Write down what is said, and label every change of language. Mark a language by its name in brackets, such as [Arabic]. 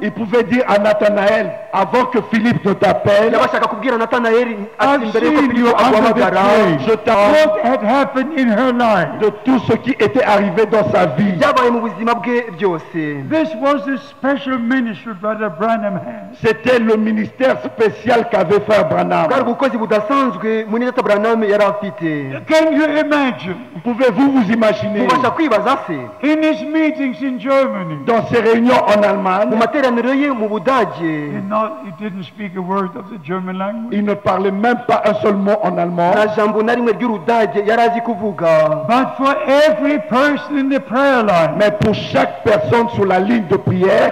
[French] Il pouvait dire à Nathanael avant que Philippe ne t'appelle. [English] I've seen you under the tree. What had happened in her life? [French] De tout ce qui était arrivé dans sa vie. [English] This was a special ministry Brother Branham had. [French] C'était le ministère spécial qu'avait frère Branham. [English] Can you imagine? [French] Pouvez-vous vous imaginer? [English] In his meetings in Germany. [French] Dans ses réunions en Allemagne. [English] He didn't speak a word of the German language. [French] Il ne parlait même pas un seul mot en allemand. [English] But for every person in the prayer line. [French] Mais pour chaque personne sur la ligne de prière,